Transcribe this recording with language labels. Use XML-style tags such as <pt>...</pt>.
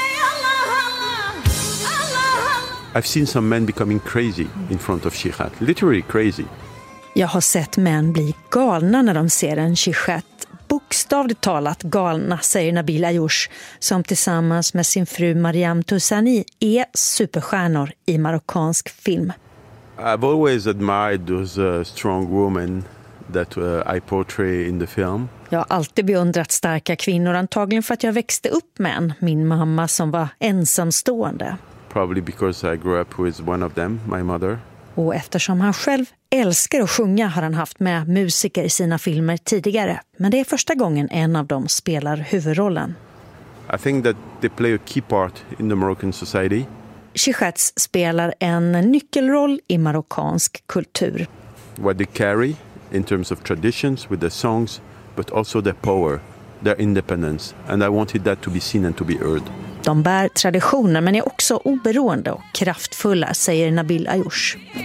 <en>Allah, Allah, Allah, Allah. I've seen some men becoming crazy in front of shishat. Literally crazy.</en> <sv>Jag har sett män bli galna när de ser en shishat. Bokstavligt talat galna, säger Nabil Ayush, som tillsammans med sin fru Mariam Tussani är superstjärnor i marockansk film.</sv> <en>I've always admired those strong women that I portray in the film.</en> <sv>Jag har alltid beundrat starka kvinnor, antagligen för att jag växte upp med en, min mamma som var ensamstående.</sv> <en>Probably because I grew up with one of them, my mother.</en> <sv>Och eftersom han själv älskar att sjunga har han haft med musiker i sina filmer tidigare. Men det är första gången en av dem spelar huvudrollen.</sv> <en>I think that they play a key part in the Moroccan society.</en> <sv>Shishats spelar en nyckelroll i marockansk kultur.</sv> <en>What they carry in terms of traditions with their songs, but also their power, their independence. And I wanted that to be seen and to be heard.</en> <sv>De bär traditioner men är också oberoende och kraftfulla, säger Nabil Ayush.</sv>